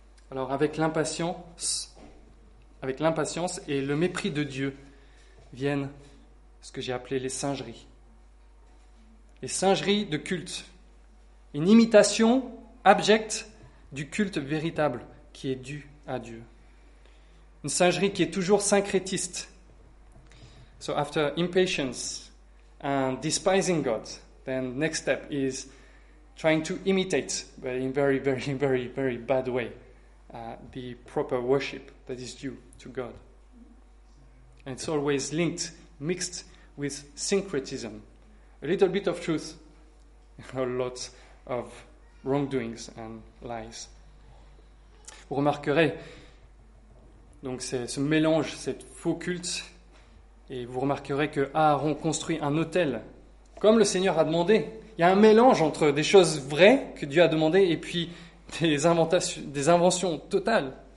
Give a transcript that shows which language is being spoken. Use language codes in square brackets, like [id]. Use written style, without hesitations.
[fr] Alors, avec l'impatience et le mépris de Dieu viennent ce que j'ai appelé les singeries. Les singeries de culte. Une imitation abjecte du culte véritable qui est dû à Dieu. Une singerie qui est toujours syncrétiste. [en] So after impatience and despising God, then next step is trying to imitate, but in very, very, very, very bad way, the proper worship that is due to God. And it's always linked, mixed with syncretism. A little bit of truth, a lot of wrongdoings and lies. [fr] Vous remarquerez donc ce mélange, cette faux culte, et vous remarquerez que Aaron construit un autel comme le Seigneur a demandé. Il y a un mélange entre des choses vraies que Dieu a demandé et puis des inventions totales.